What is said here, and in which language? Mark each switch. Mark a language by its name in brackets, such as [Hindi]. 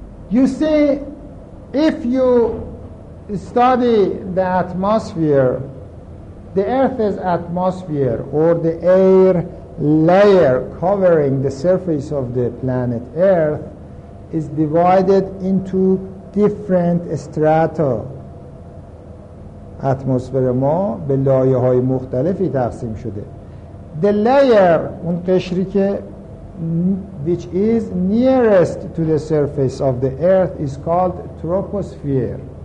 [English] You see, if you study the atmosphere, the Earth's atmosphere, or the air layer covering the surface of the planet Earth, is divided into different strata. [Persian] اتمسفر ما به لایه‌های مختلفی تقسیم شده. [English] The layer, [Persian] اون قشری که [English] which is nearest to the surface of the earth is called troposphere.